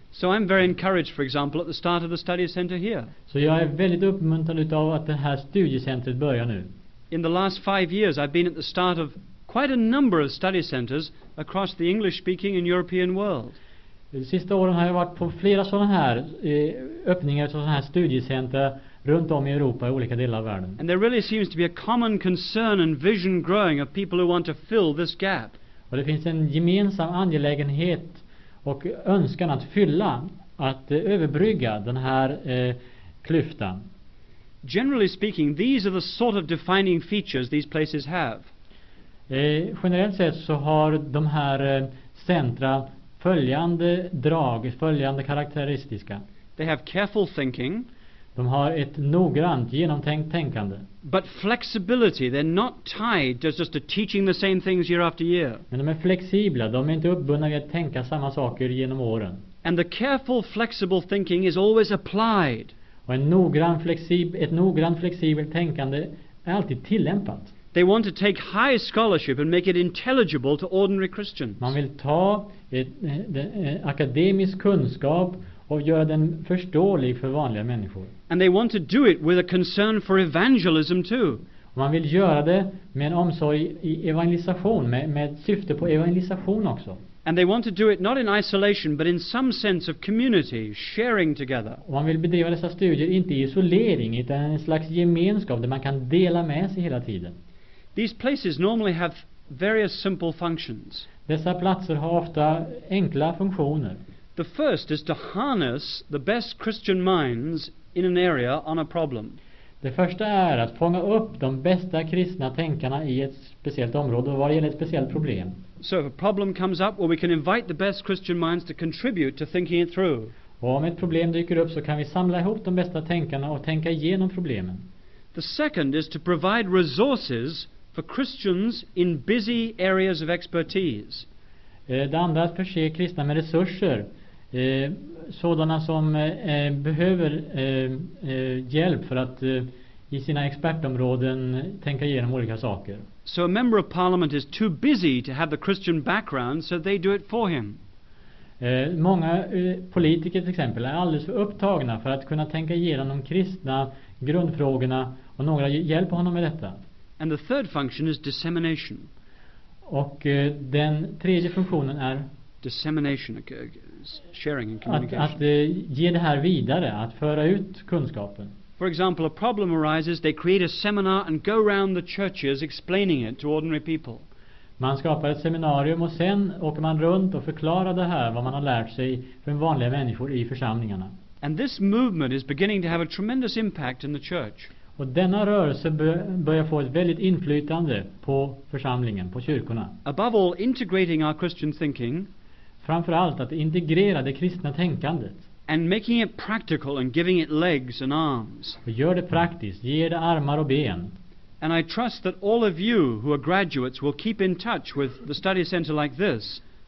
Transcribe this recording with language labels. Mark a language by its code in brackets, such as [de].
[en] So I'm very encouraged, for example, at the start of the study center here. [sv] Så jag är väldigt uppmuntrad utav att det här studiecentret börjar nu. [en] In the last 5 years I've been at the start of quite a number of study centers across the English speaking and European world. [sv] De sista åren har jag varit på flera sådana här öppningar av sådana här studiecenter runt om i Europa i olika delar av världen. [en] And there really seems to be a common concern and vision growing of people who want to fill this gap. [sv] Och det finns en gemensam angelägenhet och önskan att fylla, att överbrygga den här klyftan. [en] Generally speaking, these are the sort of defining features these places have. [sv] Generellt sett så har de här centra följande drag, följande karaktäristiska. [en] They have careful thinking. [sv] De har ett noggrant genomtänkt tänkande. [en] But flexibility, they're not tied just to teaching the same things year after year. [sv] Men de är flexibla, de är inte uppbundna vid att tänka samma saker genom åren. [en] And the careful flexible thinking is always applied. [sv] Och ett noggrant flexibelt tänkande är alltid tillämpat. [en] They want to take high scholarship and make it intelligible to ordinary Christians. [sv] Man vill ta ett akademisk kunskap och göra den förståelig för vanliga människor. [en] And they want to do it with a concern for evangelism too. [sv] Och man vill göra det med en omsorg i evangelisation, med syfte på evangelisation också. [en] And they want to do it not in isolation but in some sense of community, sharing together. [sv] Och man vill bedriva dessa studier inte i isolering utan en slags gemenskap där man kan dela med sig hela tiden. [en] These places normally have various simple functions. [sv] Dessa platser har ofta enkla funktioner. [en] The first is to harness the best Christian minds in an area on a problem. [sv] Det första är att fånga upp de bästa kristna tänkarna i ett speciellt område och vad gäller ett speciellt problem. [en] So if a problem comes up, well, we can invite the best Christian minds to contribute to thinking it through. [sv] Och om ett problem dyker upp så kan vi samla ihop de bästa tänkarna och tänka igenom problemen. [en] The second is to provide resources for Christians in busy areas of expertise. [sv] Det andra är att förse kristna med resurser, sådana som behöver hjälp för att i sina expertområden tänka igenom olika saker. [en] So a member of parliament is too busy to have the Christian background, so they do it for him. [sv] Många politiker till exempel är alldeles för upptagna för att kunna tänka igenom de kristna grundfrågorna och några hjälper honom med detta. [en] And the third function is dissemination. [sv] Och den tredje funktionen är [en] dissemination, sharing and communication. [sv] Att ge det här vidare, att föra ut kunskapen. [en] For example, a problem arises, they create a seminar and go around the churches explaining it to ordinary people. [sv] Man skapar ett seminarium och sen åker man runt och förklarar det här, vad man har lärt sig, för vanliga människor i församlingarna. [en] And this movement is beginning to have a tremendous impact in the church. [sv] Och denna rörelse börjar få ett väldigt inflytande på församlingen, på kyrkorna. [en] Above all, integrating our Christian thinking. [sv] Framförallt att integrera det kristna tänkandet. [en] And making it practical and giving it legs and arms. [sv] Och gör det praktiskt, ge det armar och ben. [en] And I trust that all of you who are graduates will keep in touch with the study center like this.